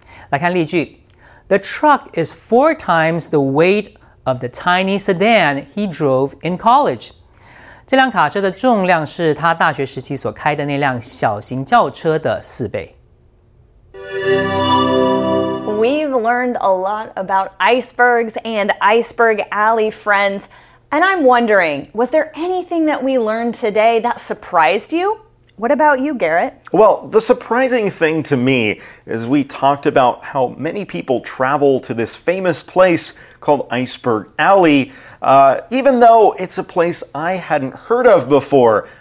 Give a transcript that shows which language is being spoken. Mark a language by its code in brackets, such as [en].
[zh] 来看例句， [en] The truck is 4 times the weight of the tiny sedan he drove in college。 [zh] 这辆卡车的重量是他大学时期所开的那辆小型轿车的四倍。 [en] We've learned a lot about icebergs and Iceberg Alley, friends. And I'm wondering, was there anything that we learned today that surprised you? What about you, Garrett? Well, the surprising thing to me is we talked about how many people travel to this famous place called Iceberg Alley, even though it's a place I hadn't heard of before.